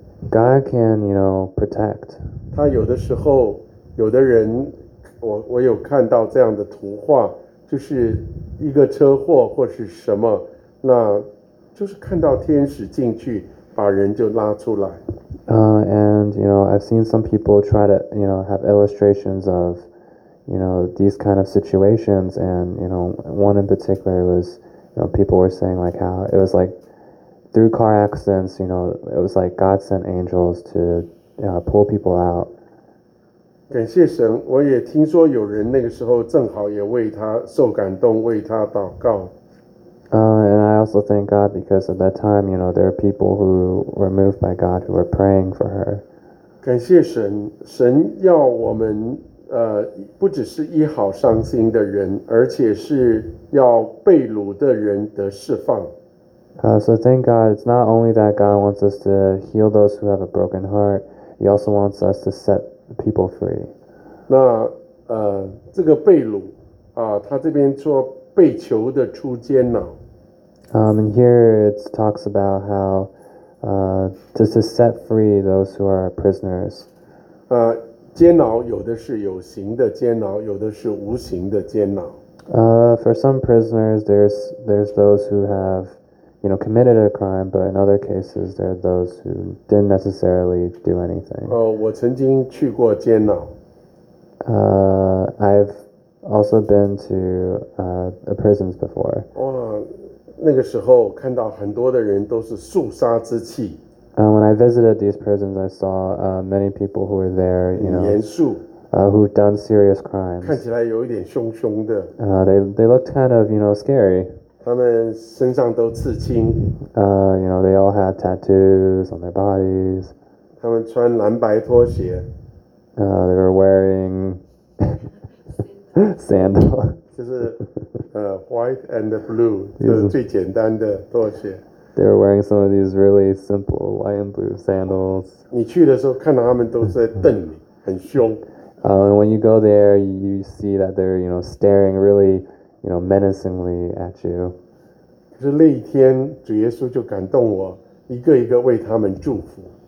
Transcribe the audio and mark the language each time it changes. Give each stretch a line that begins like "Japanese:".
English: God can, you know, protect.
Chinese: 他有的时候，有的人，我有看到这样的图画，就是一个车祸或是什么，那就是看到天使进去，把人就拉出来。
English: And you know, I've seen some people try to, you know, have illustrations of, you know, these kind of situations. And you know, one in particular was, you know, people were saying like how it was like through car accidents, you know, it was like God sent angels to, you know, pull people out.
Chinese: 感谢神，我也听说有人那个时候正好也为他受感动，为他祷告。
English: And I also thank God because at that time, you know, there are people who were moved by God who were praying for her.
Chinese: 感谢神，神要我们不只是医好伤心的人，而且是要被掳的人得释放。
English: So thank God, it's not only that God wants us to heal those who have a broken heart, He also wants us to set people free.
Chinese: 那这个被掳他这边说被囚的出监了。
English: And here it talks about how to set free those who are prisoners.
Chinese: 监牢有的是有形的监牢，有的是无形的监牢。
English: For some prisoners, there's those who have, you know, committed a crime, but in other cases, there are those who didn't necessarily do anything.
Chinese: 我曾经去过监牢。
English: I've also been to a prisons before.
Chinese: 那个时候看到很多的人都是肃杀之气。
English: When I visited these prisons, I saw many people who were there, you know,
Chinese: 严肃
English: who've done serious crimes.
Chinese: 看起来有一点凶凶的。
English: They looked kind of, you know, scary.
Chinese: 他们身上都刺青。
English: You know, they all had tattoos on their bodies.
Chinese: 他们穿蓝白拖鞋。
English: They were wearing sandals.
Chinese: 就是
English: white and blue,
Chinese: 就是最简单的拖鞋。
English: They were wearing some of these really simple white and blue sandals.
Chinese: 你去的时候看到他们都是在瞪你，很凶。
English: And when you go there, you see that they're, you know, staring really, you know, menacingly at you.
Chinese: 是那一天主耶稣就感动我，一个一个为他们祝福。